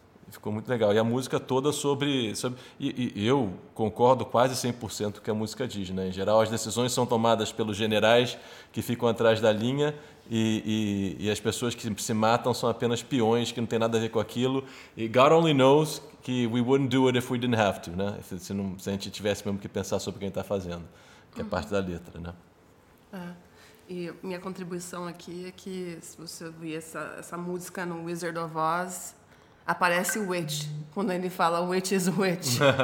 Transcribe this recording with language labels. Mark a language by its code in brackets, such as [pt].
[pt] Ficou muito legal. E a música toda sobre e eu concordo quase 100% com o que a música diz. Né? Em geral, as decisões são tomadas pelos generais que ficam atrás da linha e as pessoas que se matam são apenas peões que não tem nada a ver com aquilo. [en] E God only knows que we wouldn't do it if we didn't have to. [pt] Né? Se a gente tivesse mesmo que pensar sobre o que a gente está fazendo, que é parte da letra. Né? E minha contribuição aqui é que se você ouvir essa música no Wizard of Oz... Aparece o Witch, quando ele fala Witch is Witch.